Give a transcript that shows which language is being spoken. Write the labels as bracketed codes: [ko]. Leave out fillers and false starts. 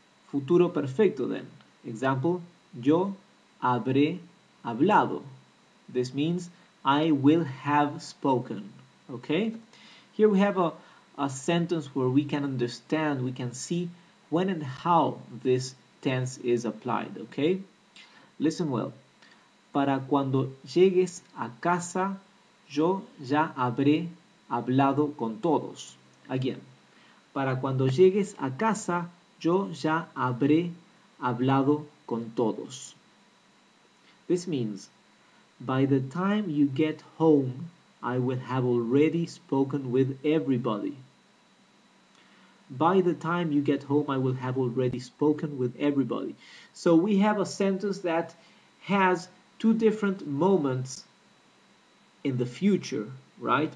[es] Futuro perfecto then. Example, yo habré hablado. [en] This means, I will have spoken, okay? Here we have a sentence where we can understand, we can see when and how this tense is applied, okay? Listen well. [es] Para cuando llegues a casa, yo ya habré hablado con todos. [en] Again. [es] Para cuando llegues a casa, yo ya habré hablado con todos. [en] This means, by the time you get home, I will have already spoken with everybody. By the time you get home, I will have already spoken with everybody. So we have a sentence that has two different moments in the future, right?